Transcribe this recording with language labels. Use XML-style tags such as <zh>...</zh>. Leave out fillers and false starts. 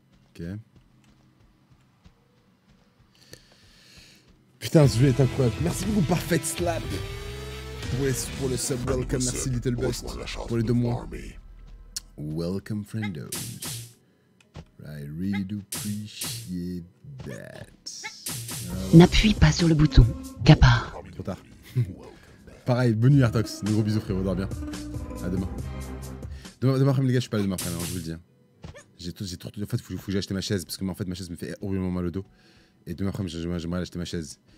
<fr>Ok. Putain, ce jeu est incroyable. Merci beaucoup, Parfait Slap. Pour le sub, welcome, merci Little Best, pour les deux mois.</fr> <en>Welcome, friendos. I really do appreciate that.</en> <fr>N'appuie pas sur le bouton, Kappa. Trop tard. Pareil, bonne nuit, Artox. Un gros bisous, frérot, dors bien. À demain. Demain après, les gars, je suis pas là demain après, je vous le dis. J'ai trop... En fait, faut que j'achète ma chaise, parce que en fait, ma chaise me fait horriblement mal au dos. Et demain après, j'aimerais acheter ma chaise.</fr>